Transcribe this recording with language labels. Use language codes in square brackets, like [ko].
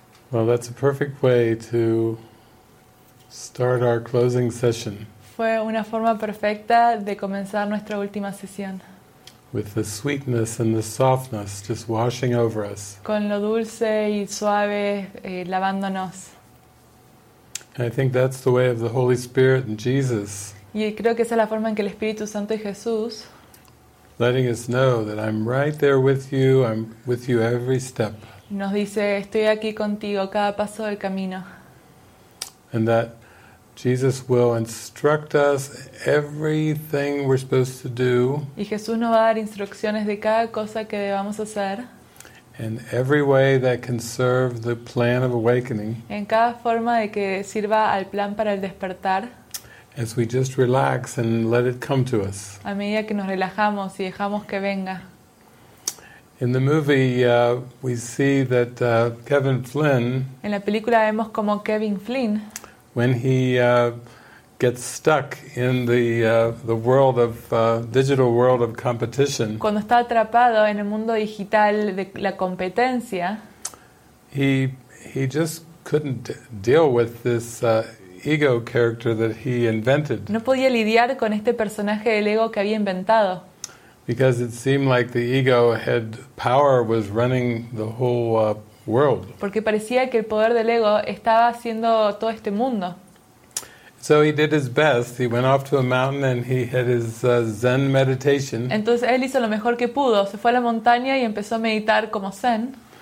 [en] Well, that's a perfect way to start our closing session. [es] Fue una forma perfecta de comenzar nuestra última sesión. [en] With the sweetness and the softness just washing over us. [es] Con lo dulce y suave lavándonos. [en] And I think that's the way of the Holy Spirit and Jesus. [es] Y creo que esa es la forma en que el Espíritu Santo y Jesús. [en] Letting us know that I'm right there with you. I'm with you every step. [es] Nos dice, estoy aquí contigo cada paso del camino. [en] And that Jesus will instruct us everything we're supposed to do. [es] Y Jesús nos va a dar instrucciones de cada cosa que debamos hacer. [en] In every way that can serve the plan of awakening. [es] En cada forma de que sirva al plan para el despertar. [en] As we just relax and let it come to us. [es] A medida que nos relajamos y dejamos que venga. [en] In the movie, we see that Kevin Flynn. [es] En la película vemos como Kevin Flynn. [en] When he gets stuck in the world of digital world of competition. [es] Cuando está atrapado en el mundo digital de la competencia. [en] He just couldn't deal with this ego character that he invented. [es] No podía lidiar con este personaje del ego que había inventado. [en] Because it seemed like the ego had power, was running the whole world. [es] Porque parecía que el poder del ego estaba haciendo todo este mundo. [en] So he did his best. He went off to a mountain and he had his Zen meditation. [es] Entonces él hizo lo mejor que pudo. Se fue a la montaña y empezó a meditar como Zen.